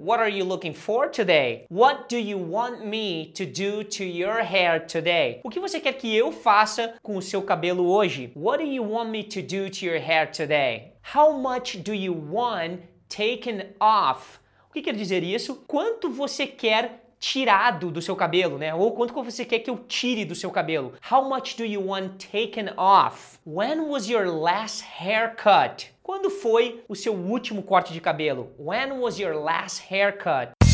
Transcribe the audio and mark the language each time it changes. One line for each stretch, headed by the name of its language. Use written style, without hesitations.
English: What are you looking for today? What do you want me to do to your hair today?
Portuguese: O que você quer que eu faça com o seu cabelo hoje?
English: What do you want me to do to your hair today? How much do you want taken off?
Portuguese: O que quer dizer isso? Quanto você quer tirado do seu cabelo, né? Ou quanto você quer que eu tire do seu cabelo?
English: How much do you want taken off? When was your last haircut?
Portuguese: Quando foi o seu último corte de cabelo?
English: When was your last haircut?